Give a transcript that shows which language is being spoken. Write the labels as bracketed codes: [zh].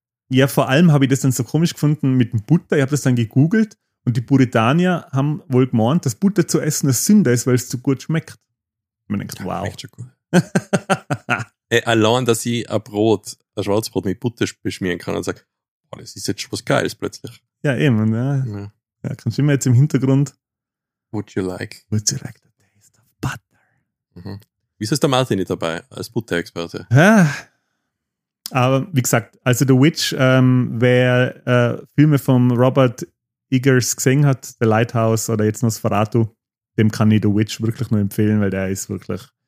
[de] Ja, vor allem habe ich das dann so komisch gefunden mit dem Butter. Ich habe das dann gegoogelt und die Puritanier haben wohl gemeint, dass Butter zu essen eine Sünde ist, weil es zu gut schmeckt. Man denkt, wow. Ja, schmeckt schon gut. Allein, dass ich ein Brot, ein Schwarzbrot mit Butter beschmieren kann und sage, boah, das ist jetzt schon was Geiles plötzlich. Ja, eben. Ja. Ja. Ja, kannst du immer jetzt im Hintergrund. [en] Would you like the taste of butter? Mhm. [de] Wieso ist der Martin nicht dabei als Butter-Experte? Ja. Aber wie gesagt, also The Witch, wer Filme von Robert Eggers gesehen hat, The Lighthouse oder jetzt Nosferatu, dem kann ich The Witch wirklich nur empfehlen, weil der ist wirklich.